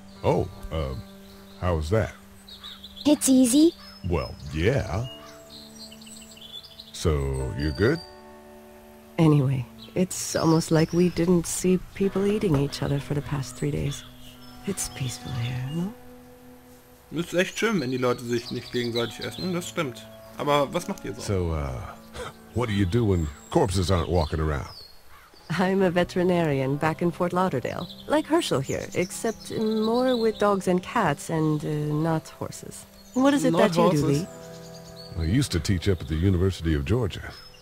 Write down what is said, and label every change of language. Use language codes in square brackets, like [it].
[en] Oh, how's that? It's easy. Well, yeah. So, you're good? Anyway, it's almost like we didn't see people eating each other for the past 3 days. It's peaceful here, no? [de] Es ist echt schön, wenn die Leute sich nicht gegenseitig essen, das stimmt. Aber was macht ihr so? [en] So, what do you do when corpses aren't walking around? I'm a veterinarian back in Fort Lauderdale, like Herschel here, except more with dogs and cats and not horses. What is it not that horses. You do, Lee? I used to teach up at the University of Georgia.